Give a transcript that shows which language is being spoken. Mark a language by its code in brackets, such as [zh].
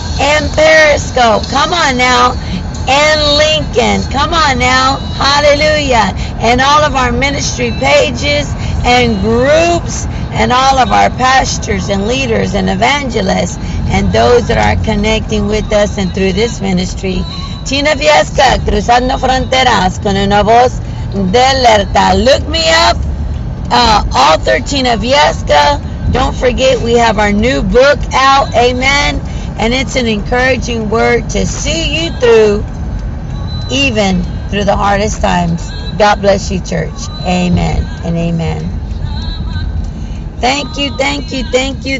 [en] And Periscope, come on now, and Lincoln, come on now, hallelujah, and all of our ministry pages and groups and all of our pastors and leaders and evangelists and those that are connecting with us and through this ministry. [es] Tina Vieska, cruzando fronteras con una voz de alerta. [en] Look me up, author Tina Vieska. Don't forget, we have our new book out, amen. And it's an encouraging word to see you through, even through the hardest times. God bless you, church. Amen and amen. Thank you, thank you, thank you.